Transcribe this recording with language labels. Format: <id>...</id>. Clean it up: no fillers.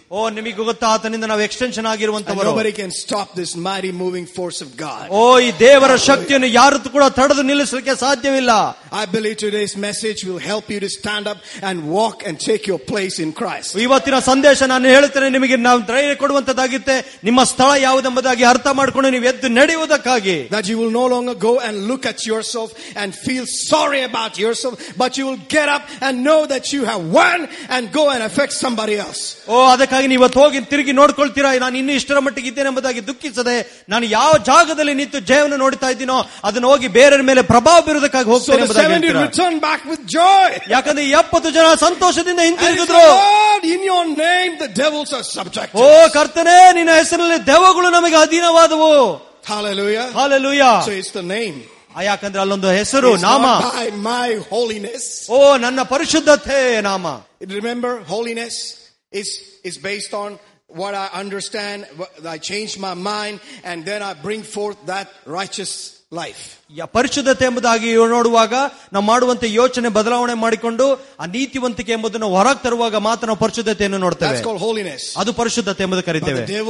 <kn>ಓ ನಿಮಗೆ ಗೊತ್ತಾ ಆತನಿಂದ ನಾವು extension ಆಗಿರುವಂತವರು.</kn> <en>Nobody can stop this mighty moving force of God.</en> <kn>ಓ ಈ ದೇವರ ಶಕ್ತಿಯನ್ನು ಯಾರು ಕೂಡ ತಡೆದು ನಿಲ್ಲಿಸಲಿಕ್ಕೆ ಸಾಧ್ಯವಿಲ್ಲ.</kn> <en>I believe today's message will help you to stand up and walk and take your place in Christ.</en> <kn>ಇವತ್ತಿನ ಸಂದೇಶ ನಾನು ಹೇಳುತ್ತೇನೆ ನಿಮಗೆ, ನಾವು ಧೈರ್ಯ ಕೊಡುವಂತದಾಗಿತ್ತೆ ನಿಮ್ಮ ಸ್ಥಳ ಯಾವುದೆಂಬುದಾಗಿ ಅರ್ಥ ಮಾಡಿಕೊಂಡು ನೀವು ಎದ್ದು ನಡೆಯುವುದಕ್ಕಾಗಿ.</kn> <en>That you will no longer go and look at yourself and feel sorry about yourself, but you will get up and know that you have won and go and affect somebody else.</en> <kn>ಓ ಅದಕ್ಕಾಗಿ ನೀವು ಹೋಗಿ ತಿರುಗಿ ನೋಡ್ಕೊಳ್ತೀರಾ, ನಾನು ಇನ್ನು ಇಷ್ಟರ ಮಟ್ಟಿಗೆ ಇದ್ದೇನೆ ಎಂಬುದಾಗಿ ದುಃಖಿಸದೆ, ನಾನು ಯಾವ ಜಾಗದಲ್ಲಿ ನಿಂತು ಜಯವನ್ನು ನೋಡ್ತಾ ಇದ್ದೀನೋ ಅದನ್ನು ಹೋಗಿ ಬೇರೆಯವರ ಮೇಲೆ ಪ್ರಭಾವ ಬೀರುವುದಕ್ಕಾಗಿ ಹೋಗ್ತೇನೆ ಎಂಬುದಾಗಿ. ಯಾಕಂದ್ರೆ 70 ಜನ ಸಂತೋಷದಿಂದ ಹಿಂತಿರುಗಿದ್ರು.</kn> <en>In your name the devils are subject.</en> <kn>ಓ ಕರ್ತನೇ ನಿನ್ನ ಹೆಸರಿನಲ್ಲಿ ದೆವ್ವಗಳು ನಮಗೆ ಅಧೀನವಾದವು.</kn> <en>Hallelujah, hallelujah. So it's the name.</en> <kn>ಯಾಕಂದ್ರೆ ಅಲ್ಲೊಂದು ಹೆಸರು, ನಾಮ.</kn> <en>My holiness.</en> <kn>ಓ ನನ್ನ ಪರಿಶುದ್ಧತೆ ನಾಮ.</kn> <en>Remember, holiness is based on what I understand, what I change my mind, and then I bring forth that righteous life.</en> <kn>ಯ ಪರಿಶುದ್ಧತೆ ಎಂಬುದಾಗಿ ನೋಡುವಾಗ ನಾವು ಮಾಡುವಂತ ಯೋಚನೆ ಬದಲಾವಣೆ ಮಾಡಿಕೊಂಡು ಆ ನೀತಿವಂತಿಕೆ ಎಂಬುದನ್ನು ಹೊರಗೆ ತರುವಾಗ ಮಾತ್ರ ನಾವು ಪರಿಶುದ್ಧತೆಯನ್ನು ನೋಡ್ತೇವೆ. ಅದು ಪರಿಶುದ್ಧತೆ ಎಂಬುದು ಕರಿತೇವೆ.</kn>